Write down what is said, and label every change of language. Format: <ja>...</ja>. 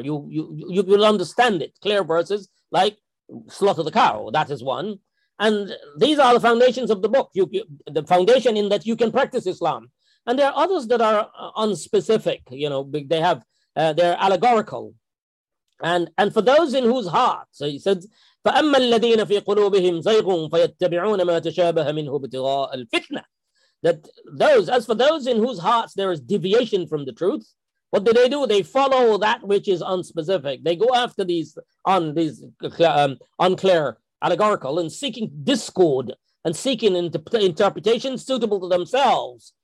<en>You will understand it. Clear verses like slaughter the cow, that is one. And these are the foundations of the book, the foundation in that you can practice Islam. And there are others that are unspecific, you know, they have, they're allegorical. And for those in whose heart, so he said,</en> <ar>فَأَمَّا الَّذِينَ فِي قُلُوبِهِمْ زَيْغٌ فَيَتَّبِعُونَ مَا تَشَابَهَ مِنْهُ بِتِغَاءَ الْفِتْنَةِ.</ar> <en>That those, as for those in whose hearts there is deviation from the truth, what do? They follow that which is unspecific. They go after these unclear, allegorical, and seeking discord and seeking interpretations suitable to themselves.</en>